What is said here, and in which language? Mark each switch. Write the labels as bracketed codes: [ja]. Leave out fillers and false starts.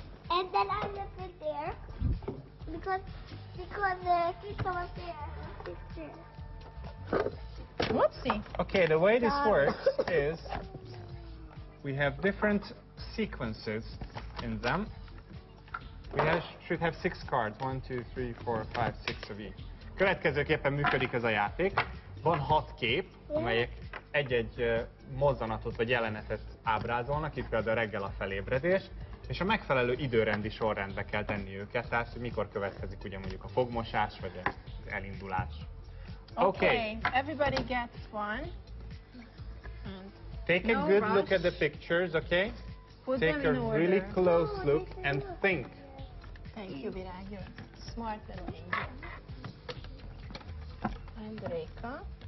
[en] And then I left it there because there. Whoopsie. Okay, the way this works is we have different sequences in them. We should have 6 cards. 1, 2, 3, 4, 5, 6 of each. [hu] Következőképpen működik ez a játék. Van 6 kép, amelyek egy-egy mozzanatot vagy jelenetet ábrázolnak, itt például reggel a felébredés, és a megfelelő időrendi sorrendbe kell tenni őket, tehát mikor következik ugye mondjuk a fogmosás vagy az elindulás. [en] Okay. Everybody gets one. Take a good look at the pictures, okay? Put Take them in a order. Really close look and think. Thank you, Virág. You're a smart little angel. And Reka.